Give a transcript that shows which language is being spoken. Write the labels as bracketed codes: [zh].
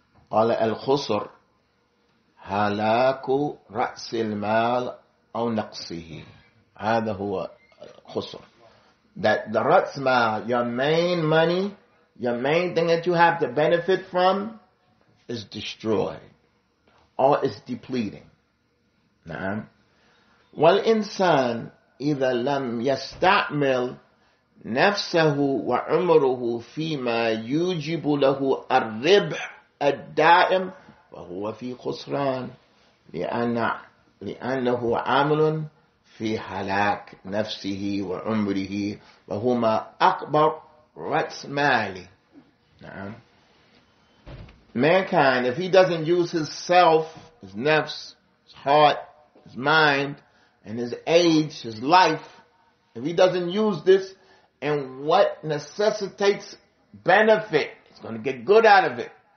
[ar] Qala al-khusr, halaku ra's al-mal aw naqsihi. هذا هو خسر. [en] That the ratsma, your main money, your main thing that you have to benefit from, is destroyed. Or is depleting. نعم. [ar] والإنسان إذا لم يستعمل نفسه وعمره فيما يوجب له الربح الدائم فهو في خسران لأنه عامل في هلاك نفسه وعمره وهما أكبر رأس مالي. نعم. [en] Mankind, if he doesn't use his self, his nafs, his heart, his mind, and his age, his life, if he doesn't use this, and what necessitates benefit, he's going to get good out of it.